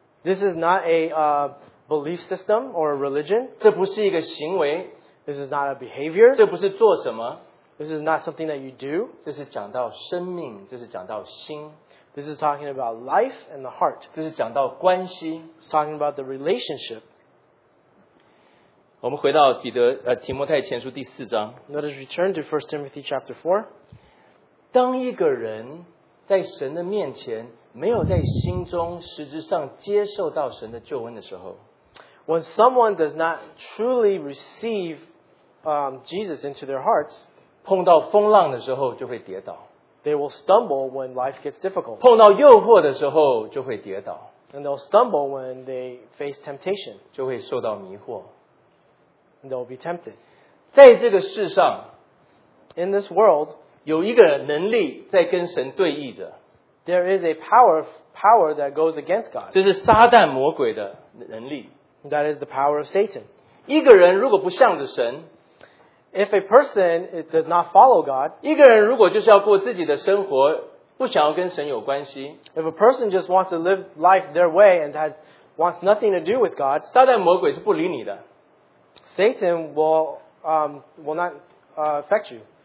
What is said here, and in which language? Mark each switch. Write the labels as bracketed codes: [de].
[en] This is not a belief system or a religion. [zh] 这不是一个行为, [en] this is not a behavior. [zh] 这不是做什么, [en] this is not something that you do. [zh] 这是讲到生命, 这是讲到心, [en] this is talking about life and the heart. [zh] 这是讲到关系, [en] it's talking about the relationship. [zh] 我们回到彼得, 提摩太前书第四章, [en] let us return to 1 Timothy chapter 4. [zh] 当一个人在神的面前, 没有在心中实质上接受到神的救恩的时候, [en] when someone does not truly receive Jesus into their hearts, [zh] 碰到风浪的时候就会跌倒, [en] they will stumble when life gets difficult, [zh] 碰到诱惑的时候就会跌倒, [en] and they'll stumble when they face temptation, [zh] 就会受到迷惑, [en] and they'll be tempted. [zh] 在这个世上, [en] in this world, [zh] 有一个能力在跟神对弈着, [en] there is a power that goes against God. [zh] 这是撒旦魔鬼的能力。 [en] That is the power of Satan. [zh] 一个人如果不向着神, [en] if a person it does not follow God, [zh] 一个人如果就是要过自己的生活, 不想要跟神有关系, [en] if a person just wants to live life their way and wants nothing to do with God, [zh] 撒旦魔鬼是不理你的。 [en] Satan will not affect you.